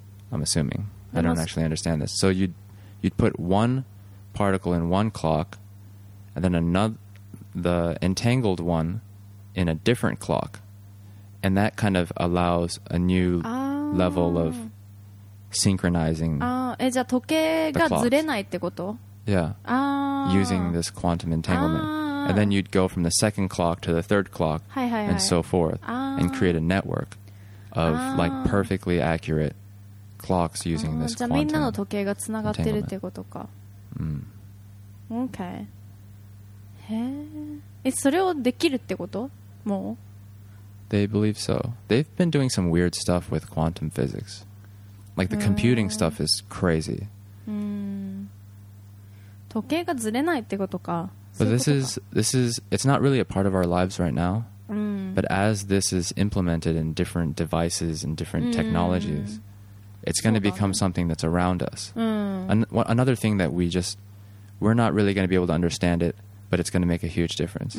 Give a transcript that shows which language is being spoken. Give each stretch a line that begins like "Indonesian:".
English: I'm assuming、it、I don't actually understand this so you'd put one particle in one clock and then another the entangled one in a different clock and that kind of allows a new、level of synchronizing
Japanese: じゃあ時計がずれないってこと
English: Yeah,、 ah. using this quantum entanglement.、 Ah. And then you'd go from the second clock to the third clock、
Japanese: はいはいはい、
English: and so forth、 ah. and create a network of、ah. like perfectly accurate clocks using、ah. this quantum entanglement.
Japanese: じゃあみんなの時計が繋がってるってことか。うん。 Okay. へえ。え、それをできるってこと？もう？
English: They believe so. They've been doing some weird stuff with quantum physics. Like the computing stuff is crazy.
Japanese: うん。時計がずれないってことか。
English: But this is it's not really a part of our lives right now.、
Japanese: うん、
English: but as this is implemented in different devices and different technologies,、うん、it's going to become something that's around us.、
Japanese: うん、
English: another thing that we're not really going to be able to understand it, but it's going to make a huge difference.、